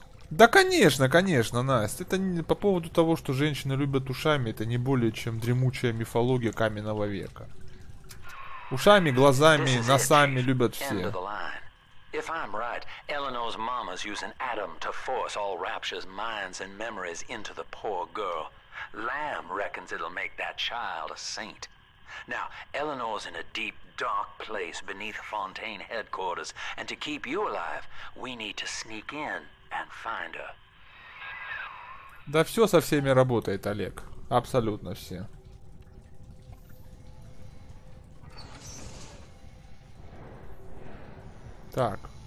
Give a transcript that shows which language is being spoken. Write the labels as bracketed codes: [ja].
[ru] Да, конечно, конечно, Настя. Это не по поводу того, что женщины любят ушами, это не более чем дремучая мифология каменного века. Ушами, глазами, носами любят все. [en] If I'm right, Eleanor's mama's using Adam to force all Rapture's minds and memories into the poor girl. Lamb reckons it'll make that child a saint. Now, Eleanor's in a deep, dark place beneath Fontaine headquarters, and to keep you alive, we need to sneak in and find her. [ru] Да все со всеми работает, Олег. Абсолютно все. Так.